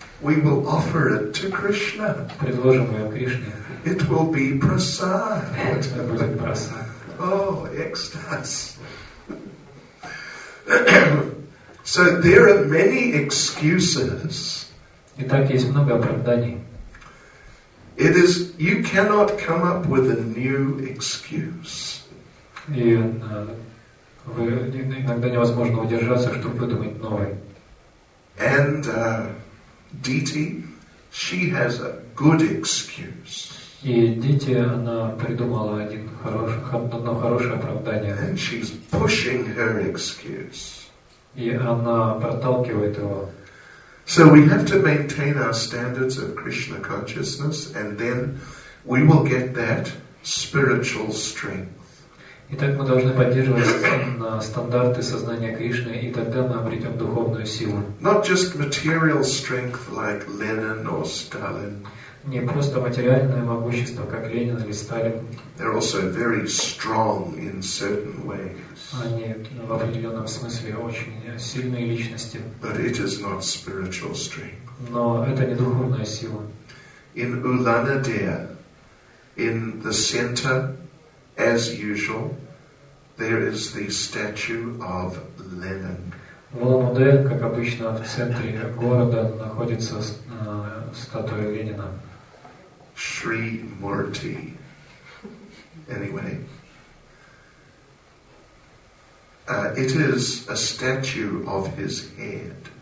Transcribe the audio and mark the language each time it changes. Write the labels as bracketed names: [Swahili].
[English] We will offer it to Krishna. [Russian] Предложим ее Кришне. [English] It will be prasad. [Russian] Это будет прасад. [English] Oh, ecstasy. So there are many excuses. [Russian] Итак, есть много оправданий. [English] It is, you cannot come up with a new excuse. [Russian] И вы иногда невозможно удержаться, чтобы выдумать новый. [English] And Diti, she has a good excuse. [Russian] И Diti, она придумала одно хорошее оправдание. [English] And she's pushing her excuse. [Russian] И она проталкивает его. [English] So we have to maintain our standards of Krishna consciousness, and then we will get that spiritual strength. [Russian] Итак, мы должны поддерживать стандарты сознания Кришны, и тогда мы обретем духовную силу. [English] Not just material strength like Lenin or Stalin. [Russian] Не просто материальное могущество, как Ленин или Сталин. [English] They're also very strong in certain ways. [Russian] Они в определенном смысле очень сильные личности. [English] But it is not spiritual strength. [Russian] Но это не духовная сила. [English] In Ulaanadea, in the center, as usual, there is the statue of Lenin. [Russian] В Улан-Удэ, как обычно, в центре города находится статуя Ленина. [English] Shri Murti. Anyway, it is a statue of his head.